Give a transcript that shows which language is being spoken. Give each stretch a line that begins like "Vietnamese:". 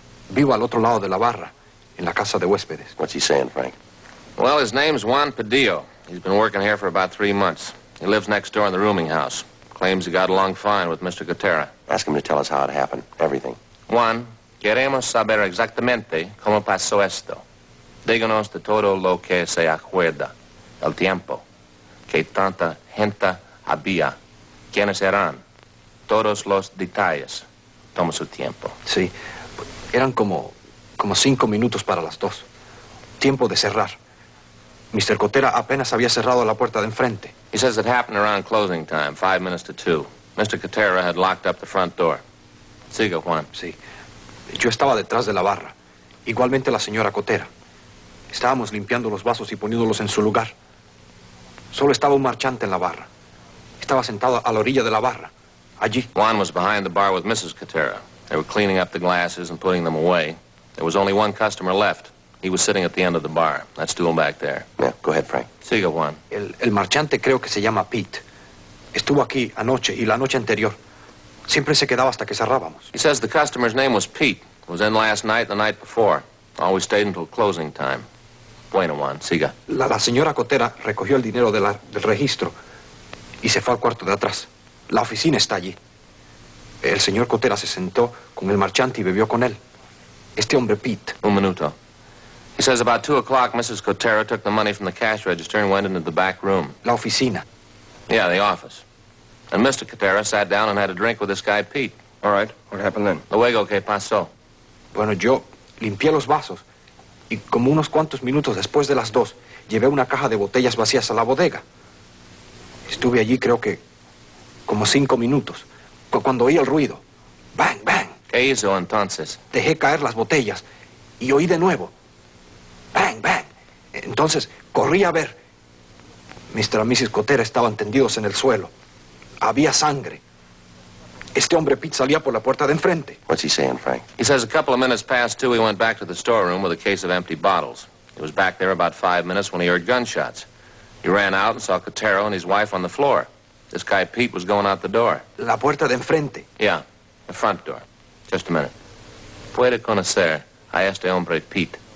Spanish: Vivo al otro lado de la barra, en la casa de huéspedes.
English: What's he saying, Frank? Well, his name's Juan Pedillo. He's been working here for about 3 months. He lives next door in the rooming house. Claims he got along fine with Mr. Cotera. Ask him to tell us how it happened. Everything.
Spanish: Juan, queremos saber exactamente cómo pasó esto. Díganos de todo lo que se acuerda. El tiempo. Que tanta gente había. ¿Quiénes eran? Todos los detalles. Toma su tiempo. Sí. Eran como 5 minutos para las dos. Tiempo de cerrar. Mr. Cotera apenas había cerrado la puerta de enfrente.
English: He says it happened around closing time, 2:05. Mr. Cotera had locked up the front door.
Spanish: Siga, Juan. Sí. Yo estaba detrás de la barra. Igualmente la señora Cotera. Estábamos limpiando los vasos y poniéndolos en su lugar. Solo estaba un marchante en la barra. Estaba sentado a la orilla de la barra. Allí.
English: Juan was behind the bar with Mrs. Cotera. They were cleaning up the glasses and putting them away. There was only one customer left. He was sitting at the end of the bar. Let's do him back there. Yeah, go ahead, Frank.
Spanish: Siga, Juan. El marchante creo que se llama Pete. Estuvo aquí anoche y la noche anterior. Siempre se quedaba hasta que cerrábamos.
English: He says the customer's name was Pete. Was in last night, the night before. Always stayed until closing time.
Spanish: Bueno, Juan, siga. La señora Cotera recogió el dinero del registro y se fue al cuarto de atrás. La oficina está allí. El señor Cotera se sentó con el marchante y bebió con él. Este hombre, Pete. Un minuto.
English: He says about 2:00, Mrs. Cotera took the money from the cash register and went into the back room.
Spanish: La oficina.
English: Yeah, the office. And Mr. Cotera sat down and had a drink with this guy, Pete. All right. What happened then?
Spanish: Luego, ¿qué pasó? Bueno, yo limpié los vasos. Y como unos cuantos minutos después de las dos, llevé una caja de botellas vacías a la bodega. Estuve allí, creo que... como 5 minutos. Cuando oí el ruido. ¡Bang, bang! ¿Qué hizo entonces? Dejé caer las botellas. Y oí de nuevo. ¡Bang, bang! Entonces, corrí a ver. Mr. y Mrs. Cotera estaban tendidos en el suelo. Había sangre. Este hombre Pete salía por la puerta de enfrente.
English: What's he saying, Frank? He says a couple of minutes past two, he went back to the storeroom with a case of empty bottles. He was back there about 5 minutes when he heard gunshots. He ran out and saw Cotero and his wife on the floor. This guy Pete was going out the door.
Spanish: La puerta de enfrente.
English: Yeah, the front door. Just a minute.
Spanish: Puede conocer a este hombre Pete.